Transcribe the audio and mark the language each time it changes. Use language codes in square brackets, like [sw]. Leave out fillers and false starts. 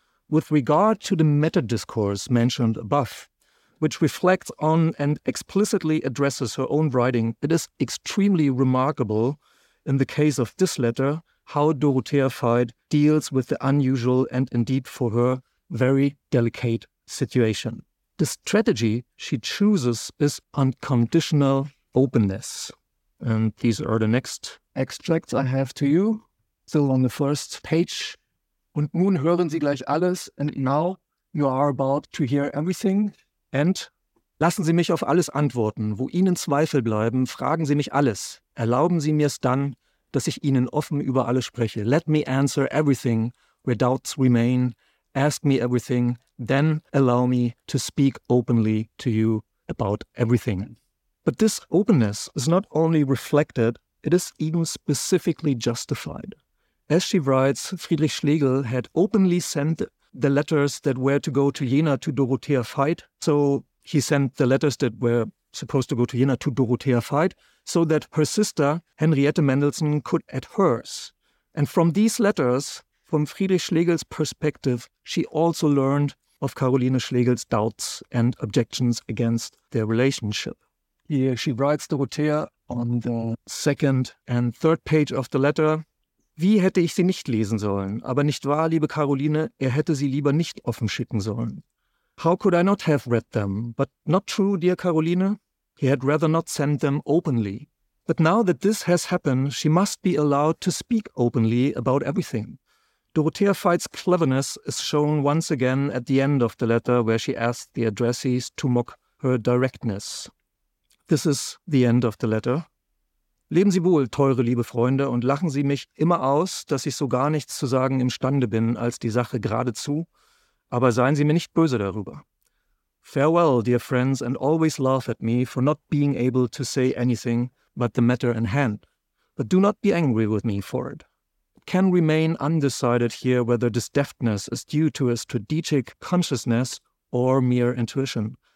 [en] With regard to the meta-discourse mentioned above, which reflects on and explicitly addresses her own writing, it is extremely remarkable in the case of this letter how Dorothea Veit deals with the unusual and indeed for her very delicate situation. The strategy she chooses is unconditional openness. And these are the next extracts I have to you, still on the first page. [de] Und nun hören Sie gleich alles, [en] and now you are about to hear everything. [de] And lassen Sie mich auf alles antworten, wo Ihnen Zweifel bleiben, fragen Sie mich alles. Erlauben Sie mir's dann, dass ich Ihnen offen über alles spreche. [en] Let me answer everything where doubts remain. Ask me everything, then allow me to speak openly to you about everything. But this openness is not only reflected, it is even specifically justified. As she writes, Friedrich Schlegel had openly sent the letters that were to go to Jena to Dorothea Veit. So he sent the letters that were supposed to go to Jena to Dorothea Veit so that her sister, Henriette Mendelssohn, could add hers. And from these letters, from Friedrich Schlegel's perspective, she also learned of Caroline Schlegel's doubts and objections against their relationship. Here she writes Dorothea on the second and third page of the letter. [de] Wie hätte ich sie nicht lesen sollen? Aber nicht wahr, liebe Caroline, er hätte sie lieber nicht offen schicken sollen. [en] How could I not have read them? But not true, dear Caroline. He had rather not sent them openly. But now that this has happened, she must be allowed to speak openly about everything. Dorothea Veit's cleverness is shown once again at the end of the letter where she asked the addressees to mock her directness. This is the end of the letter. [de] Leben Sie wohl, teure liebe Freunde, und lachen Sie mich immer aus, dass ich so gar nichts zu sagen imstande bin als die Sache geradezu, aber seien Sie mir nicht böse darüber. [en] Farewell, dear friends, and always laugh at me for not being able to say anything but the matter in hand. But do not be angry with me for it. It can remain undecided here whether this deftness is due to a strategic consciousness or mere intuition.